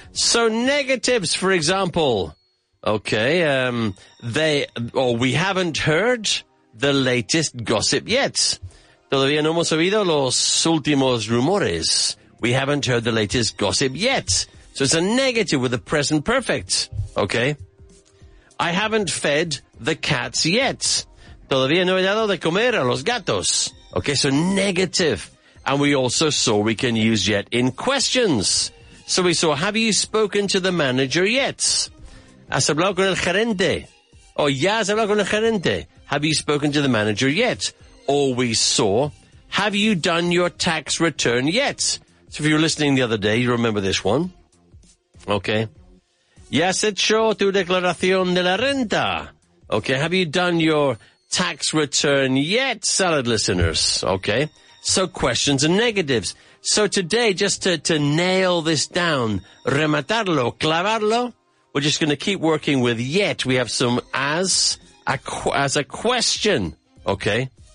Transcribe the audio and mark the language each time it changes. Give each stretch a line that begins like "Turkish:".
English: So negatives, for example, okay, we haven't heard the latest gossip yet.
Spanish: Todavía no hemos oído los últimos rumores.
English: We haven't heard the latest gossip yet. So it's a negative with the present perfect, okay? I haven't fed the cats yet.
Spanish: Todavía no he dado de comer a los gatos.
English: Okay, so negative. And we also saw we can use yet in questions. So we saw, have you spoken to the manager yet?
Spanish: ¿Has hablado con el gerente? Oh, ya has hablado con el gerente.
English: Have you spoken to the manager yet? Or we saw, have you done your tax return yet? So if you were listening the other day, you remember this one. Okay.
Spanish: ¿Ya has hecho tu declaración de la renta?
English: Okay, have you done your tax return yet, salad listeners? Okay, so questions and negatives. So today, just to nail this down,
Spanish: rematarlo, clavarlo,
English: we're just going to keep working with yet. We have some as a question, okay?